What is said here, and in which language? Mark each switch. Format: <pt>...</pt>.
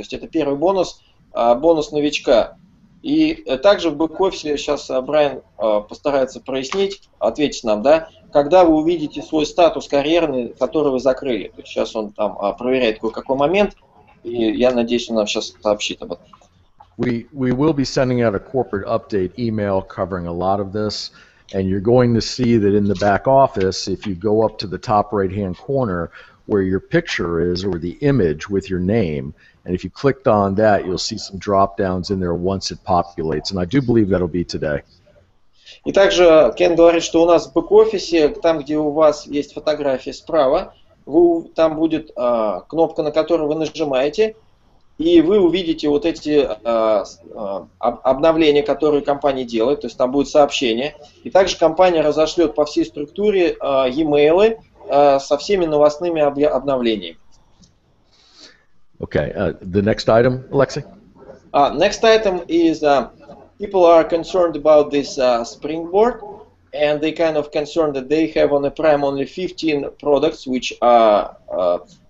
<ru>То есть это первый бонус, бонус новичка. И также в бэк-офисе сейчас Брайан постарается прояснить, ответить нам, да, когда вы увидите свой статус карьерный, который вы закрыли. То есть сейчас он там проверяет кое-какой момент, и я надеюсь, он нам сейчас сообщит об этом.</ru> <en>We will be sending out a corporate update email covering a lot of this, and you're going to see that in the back office, if you go up to the top right-hand corner where your picture is or the image with your name, and if you clicked on that, you'll see some drop-downs in there once it populates, and I do believe that'll be today.</en> <ru>И также Кен говорит, что у нас в бэк-офисе, там, где у вас есть фотография справа, там будет кнопка, на которую вы нажимаете, и вы увидите вот эти обновления, которые компания делает, то есть там будет сообщение. И также компания разошлет по всей структуре e-mail со всеми новостными обновлениями.</ru> <en>Okay, the next item, Alexei? Next item is people are concerned about this springboard, and they kind of concerned that they have on the prime only 15 products, which are,</en>